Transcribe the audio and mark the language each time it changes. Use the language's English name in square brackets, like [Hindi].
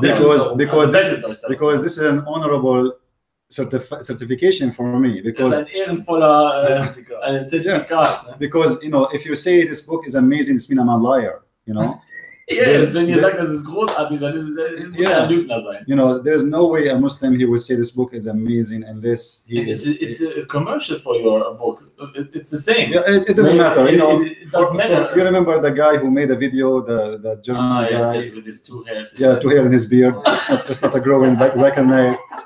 [English] Because this is an honorable certification for me. Because [German] das ist ein ehrenvoller Zertifikat. [English] Yeah. Because, you know, if you say this book is amazing, it's mean I'm a liar, you know. [German] Yes, wenn ihr sagt, das ist großartig, dann ist es ein Lügner sein. [English] You know, there's no way a Muslim he would say this book is amazing unless he. It's a commercial for your book. It's the same. Yeah, it doesn't matter. You remember the guy who made a video, the German guy. Yes, with his two hairs. Yeah, two hairs in his beard. It's not a growing back and neck.